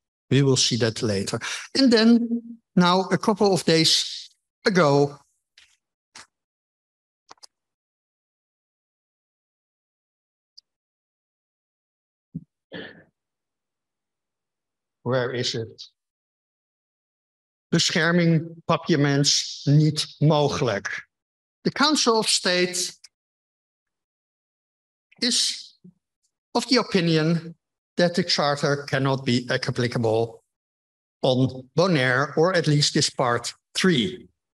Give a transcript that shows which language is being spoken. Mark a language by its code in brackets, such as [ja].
[en] We will see that later. And then, now, a couple of days ago, where is it? [nl] Bescherming Papiaments niet mogelijk. [en] The Council of State is of the opinion that the charter cannot be applicable on Bonaire, or at least this part 3.